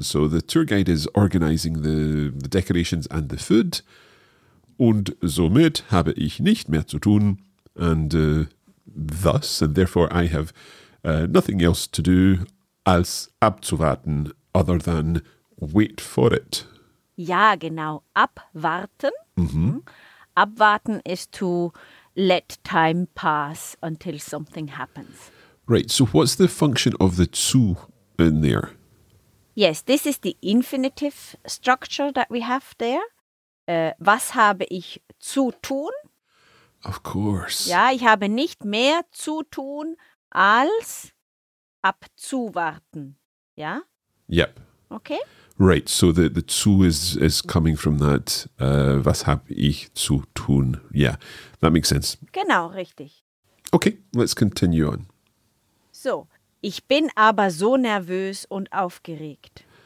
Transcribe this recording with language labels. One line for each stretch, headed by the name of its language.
English: So, the tour guide is organizing the decorations and the food.
German: Und somit habe ich nicht mehr zu tun.
English: And thus, and therefore, I have nothing else to do
German: als abzuwarten,
English: other than wait for it.
German: Ja, genau. Abwarten. Mm-hmm.
English: Abwarten is to let time pass until something happens. Right. So what's the function of the zu in there? Yes, this is the infinitive structure that we have there.
German: Was habe ich zu tun?
English: Of course.
German: Ja, ich habe nicht mehr zu tun als abzuwarten. Ja?
English: Yep. Okay. Right, so the zu is coming from that
German: was habe ich zu tun.
English: Yeah, that makes sense.
German: Genau, richtig.
English: Okay, let's continue on.
German: So, ich bin aber so nervös und aufgeregt.